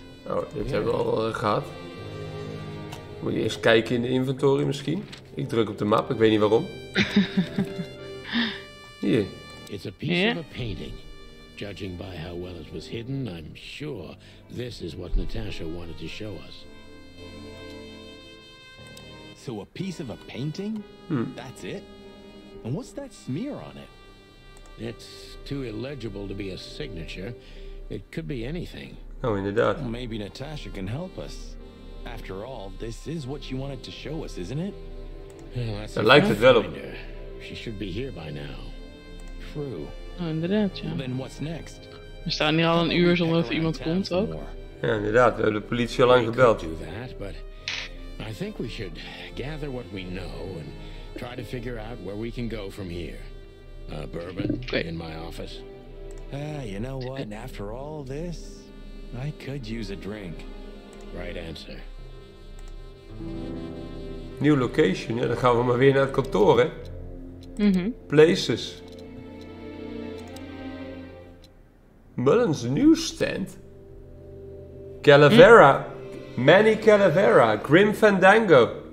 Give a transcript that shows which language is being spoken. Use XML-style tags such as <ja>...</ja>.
<nl>Oh, dit hebben we al gehad. Moet je eerst kijken in de inventory misschien? Ik druk op de map, ik weet niet waarom. Hier.</nl> <en>It's a piece of a painting. Judging by how well it was hidden, I'm sure this is what Natasha wanted to show us. So a piece of a painting? That's it? And what's that smear on it? It's too illegible to be a signature. It could be anything.</en> <nl>Oh, inderdaad.</nl> <en>Well, maybe Natasha can help us. After all, this is what she wanted to show us, isn't it? Well, that's like the develop. She should be here by now. True.</en> <nl>Oh, inderdaad, ja.</nl> <en>Then what's next?</en> <nl>We staan hier al een uur zonder dat iemand komt ook. Ja, inderdaad. We hebben de politie al lang gebeld.</nl> <en>But I think we should gather what we know and try to figure out where we can go from here. Bourbon in my office. You know what? And after all this, I could use a drink. Right answer. New location,</en> <nl>ja, dan gaan we maar weer naar het kantoor, hè?</nl> <en>Places. Mullen's newsstand. Calavera. Manny Calavera. Grim Fandango.</en>